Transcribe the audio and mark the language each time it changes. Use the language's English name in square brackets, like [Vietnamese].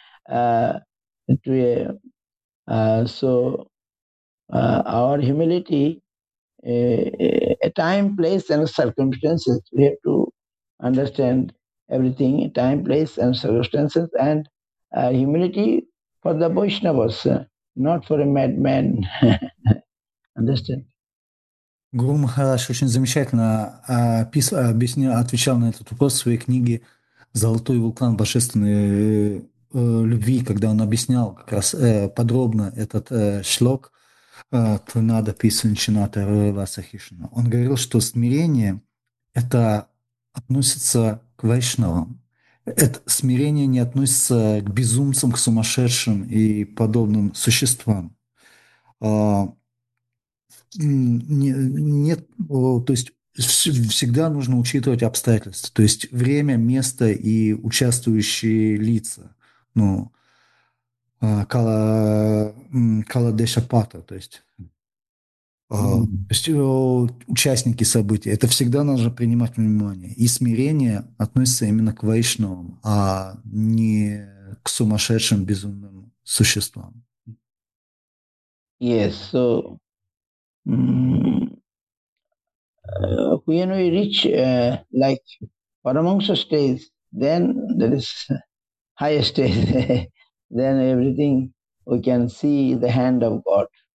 [English] our humility, a time, place, and circumstances, we have to understand everything, time, place, and circumstances, and humility for the Vaishnavas, not for a madman. Understand? [Russian] Guru Maharaj очень замечательно отвечал на этот вопрос в своей книге «Золотой вулкан Божественной любви», когда он объяснял как раз подробно этот шлок «Тринада Писанчината Раваса Хишина». Он говорил, что смирение — это относится к вайшнавам. Это смирение не относится к безумцам, к сумасшедшим и подобным существам. Нет, то есть Всегда нужно учитывать обстоятельства, то есть время, место и участвующие лица. Ну, каладешапата, то есть участники события. Это всегда нужно принимать внимание. И смирение относится именно к вайшнавам, а не к сумасшедшим безумным существам. [English] Yes, so when we reach like Paramahansa stage, then there is higher stage. Then everything we can see the hand of God.